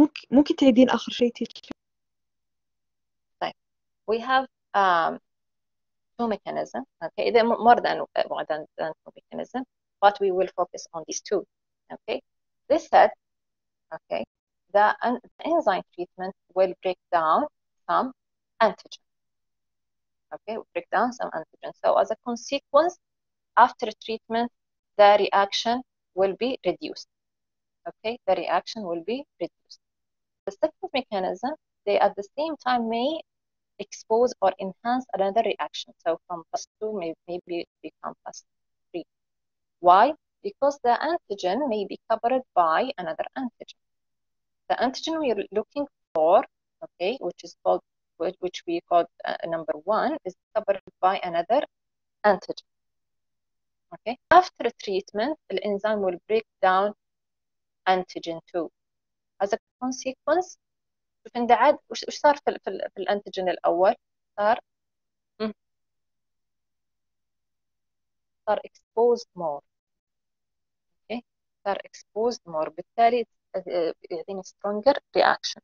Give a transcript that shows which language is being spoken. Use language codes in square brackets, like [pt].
[ar] ممكن تعيدين آخر شيء تيجي. [en] We have two mechanisms, okay, more than two mechanisms, but we will focus on these two, okay. This said, okay, the enzyme treatment will break down some antigen, okay, break down some antigen. So as a consequence, after treatment, the reaction will be reduced, okay, the reaction will be reduced. The second mechanism, they at the same time may expose or enhance another reaction. So from plus two maybe become plus three. Why? Because the antigen may be covered by another antigen. The antigen we are looking for, okay, which is called, which we called number one, is covered by another antigen. Okay, after treatment, the enzyme will break down antigen two. As a consequence, [ar] شوفين دعاد وش صار في الانتيجين الاول صار [en] exposed more. Okay. [ar] صار [en] exposed more. [ar] بالتالي يعطيني [en] stronger reaction.